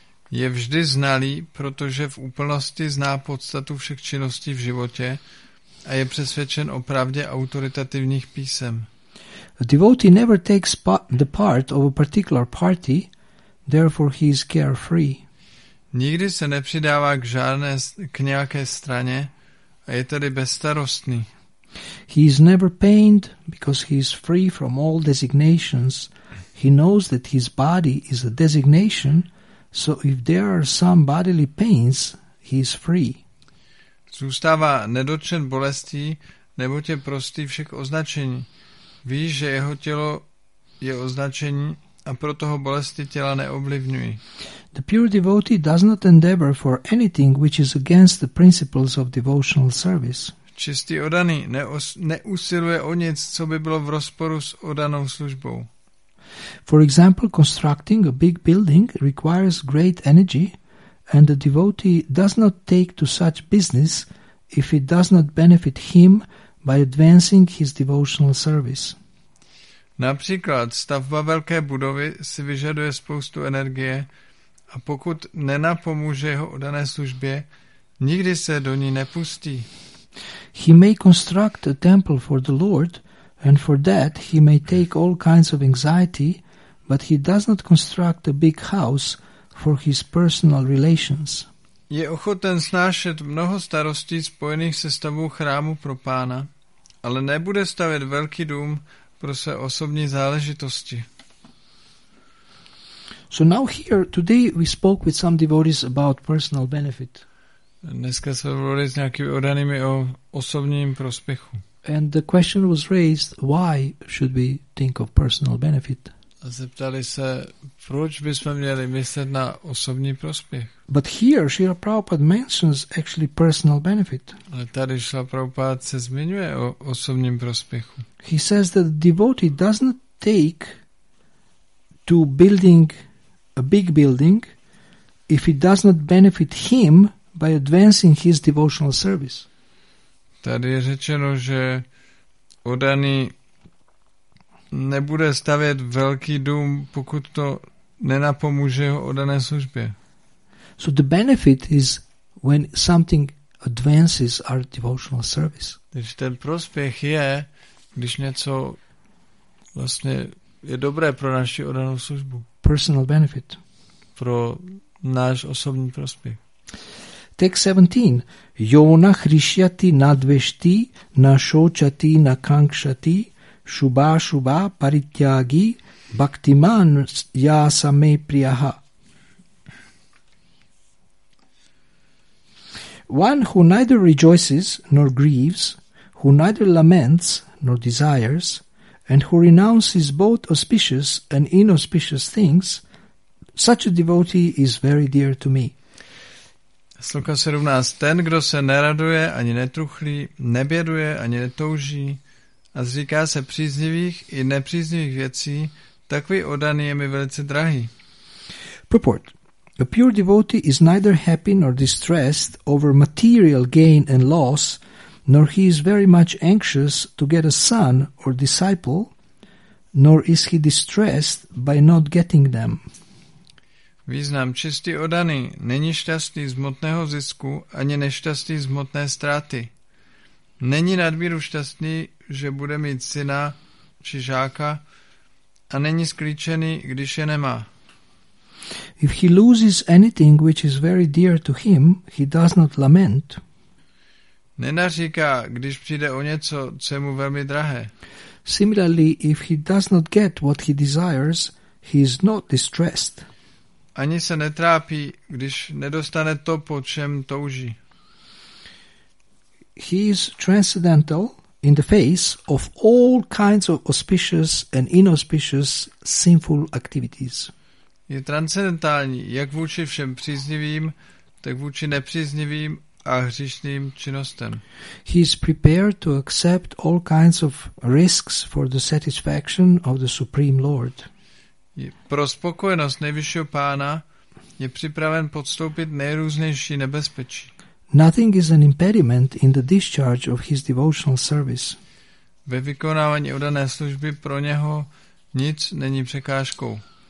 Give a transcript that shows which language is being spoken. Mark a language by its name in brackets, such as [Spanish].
[Czech] Je vždy znalý, protože v úplnosti zná podstatu všech činností v životě a je přesvědčen o pravdě autoritativních písem. [English] A devotee never takes the part of a particular party, therefore he is carefree. [Czech] Nikdy se nepřidává k nějaké straně a je tedy bezstarostný. [English] He is never pained because he is free from all designations. He knows that his body is a designation, so if there are some bodily pains, he is free. [Czech] Zůstává nedotčen bolestí, neboť je prostý všech označení. Ví, že jeho tělo je označení a proto ho bolesti těla neovlivňují. [English] The pure devotee does not endeavor for anything which is against the principles of devotional service. [Czech] Čistý oddaný neusiluje o nic, co by bylo v rozporu s oddanou službou. [English] For example, constructing a big building requires great energy, and the devotee does not take to such business if it does not benefit him by advancing his devotional service. [Czech] Například stavba velké budovy si vyžaduje spoustu energie a pokud nenapomůže jeho oddané službě, nikdy se do ní nepustí. [English] He may construct a temple for the Lord and for that he may take all kinds of anxiety, but he does not construct a big house for his personal relations. [Czech] Je ochoten snášet mnoho starostí spojených se stavbou chrámu pro pána, ale nebude stavět velký dům pro své osobní záležitosti. [English] So now here today we spoke with some devotees about personal benefit. [Czech] Dneska jsme mluvili s nějakými oddanými o osobním prospěchu. [English] And the question was raised, why should we think of personal benefit? [Czech] A zeptali se, proč bychom měli myslet na osobní prospěch. [English] But here Srila Prabhupada mentions actually personal benefit. [Czech] Ale tady Srila Prabhupada se zmiňuje o osobním prospěchu. [English] He says that the devotee does not take to building a big building if it does not benefit him by advancing his devotional service. [Czech] Tady je řečeno, že oddaný nebude stavět velký dům, pokud to nenapomůže jeho oddané službě. [English] So the benefit is when something advances our devotional service. [Czech] Takže ten prospěch je, když něco vlastně je dobré pro naši oddanou službu. [English] Personal benefit. [Czech] Pro náš osobní prospěch. [English] Text 17. [Sanskrit] Yona Hrishyati Nadveshti Nashochati Nakankshati Shubha Shubha Parityagi Bhaktiman Yasame Priyaha. [English] One who neither rejoices nor grieves, who neither laments nor desires, and who renounces both auspicious and inauspicious things, such a devotee is very dear to me. [Czech] Sloka 17. Ten, kdo se neraduje ani netruchlí, neběduje ani netouží a zříká se příznivých i nepříznivých věcí, takový oddaný je mi velice drahý. [English] Purport. A pure devotee is neither happy nor distressed over material gain and loss, nor he is very much anxious to get a son or disciple, nor is he distressed by not getting them. [Czech] Význam čistý oddaný není šťastný z hmotného zisku ani nešťastný z hmotné ztráty. Není nadmíru šťastný, že bude mít syna či žáka a není sklíčený, když je nemá. [English] If he loses anything which is very dear to him, he does not lament. [Czech] Nenaříká, když přijde o něco, co je mu velmi drahé. [English] Similarly, if he does not get what he desires, he is not distressed. [Czech] Ani se netrápí, když nedostane to, po čem touží. [English] He is transcendental in the face of all kinds of auspicious and inauspicious sinful activities. [Czech] Je transcendentální jak vůči všem příznivým, tak vůči nepříznivým a hříšným činnostem. [English] He is prepared to accept all kinds of risks for the satisfaction of the Supreme Lord. [Czech] Pro spokojenost nejvyššího pána je připraven podstoupit nejrůznější nebezpečí. [English] Nothing is an impediment in the discharge of his devotional service. [Czech] Ve vykonávání oddané služby pro něho nic není překážkou.